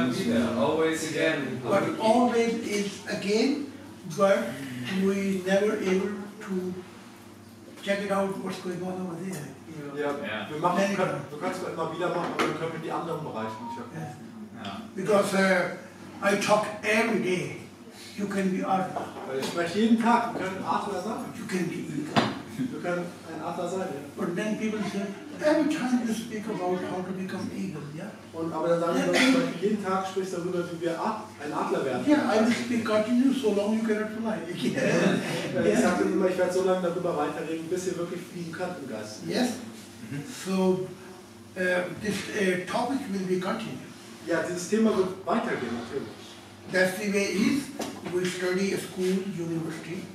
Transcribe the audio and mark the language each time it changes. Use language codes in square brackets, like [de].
[en] But always is again, but we never able to check it out what's going on over there. Yeah. Yeah. Yeah. [de] Du kannst es immer wieder machen, aber dann können wir die anderen Bereiche nicht erfüllen. [en] Yeah. Yeah. Because I talk every day. You can be Arthur. [de] Ich spreche jeden Tag. Du kannst Arthur sein. [en] You can be Eagle. [de] Du kannst ein Arthur sein. Yeah. [en] But then people say, every time you speak about how to become Eagle, yeah. [de] Und aber dann sagen wir, jeden Tag sprichst darüber, wie wir ein Adler werden. [en] Yeah, I will speak continuous so long you cannot fly. Yeah. [de] Ich sagte immer, ich werde so lange darüber weiterreden, bis ihr wirklich fliegen könnt im Geist. [en] Yes. So, this topic will be continued. [de] Ja, dieses Thema wird weitergehen, natürlich. [en] That's the way it is. We study a school, university.